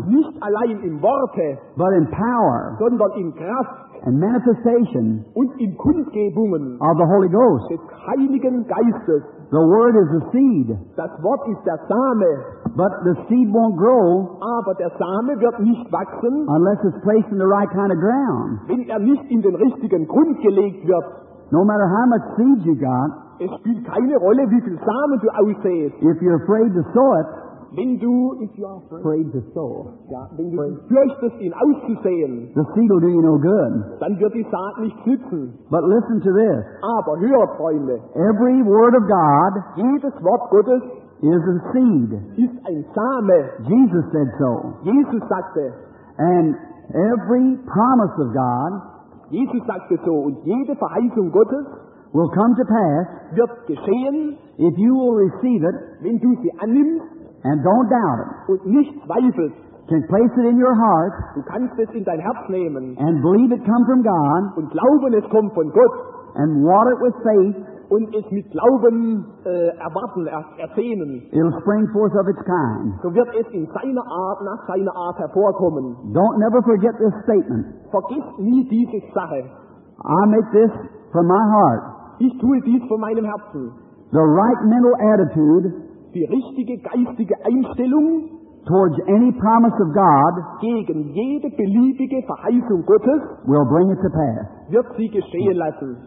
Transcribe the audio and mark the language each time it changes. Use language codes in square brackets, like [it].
[de] nicht allein in Worte, [en] but in power, [de] sondern in Kraft, [en] and manifestation, [de] und in Kundgebungen, [en] of the Holy Ghost, [de] des Heiligen Geistes. [en] The word is the seed. [de] Das Wort ist der Same. [en] But the seed won't grow. [de] Aber der Same wird nicht wachsen. [en] Unless it's placed in the right kind of ground. [de] Wenn nicht in den richtigen Grund gelegt wird. [en] No matter how much seed you got. [de] Es spielt keine Rolle, wie viel Samen du aussäst. [en] If you're afraid to sow it. [de] Wenn du, [en] if you are afraid to sow. [de] Ja, wenn du fürchtest, ihn auszusäen. [en] The seed will do you no good. [de] Dann wird die Saat nicht sitzen. [en] But listen to this. [de] Aber hört, Freunde. [en] Every word of God. [de] Jedes Wort Gottes. [en] Is a seed. [de] Ist ein Same. [en] Jesus said so. [de] Jesus sagte. [en] And every promise of God. [de] Jesus sagte so. Und jede Verheißung Gottes. [en] Will come to pass. [de] Wird geschehen. [en] If you will receive it. [de] Wenn du sie annimmst. [en] And don't doubt it. [de] Und nicht zweifelt. [en] Can place it in your heart. [de] Du kannst es in dein Herz nehmen. [en] And believe it come from God. [de] Und glauben es kommt von Gott. [en] And water it with faith. [de] Und es mit Glauben erwarten, ersehnen. [en] It'll spring forth of its kind. [de] So wird es in seiner Art, nach seiner Art hervorkommen. [en] Don't never forget this statement. [de] Vergiss nie diese Sache. [en] I make this from my heart. [de] Ich tue dies von meinem Herzen. [en] The right mental attitude. [de] Die richtige geistige Einstellung [en] towards any promise of God [de] gegen jede beliebige Verheißung Gottes [en] will bring it to pass. [de] Wird sie geschehen lassen.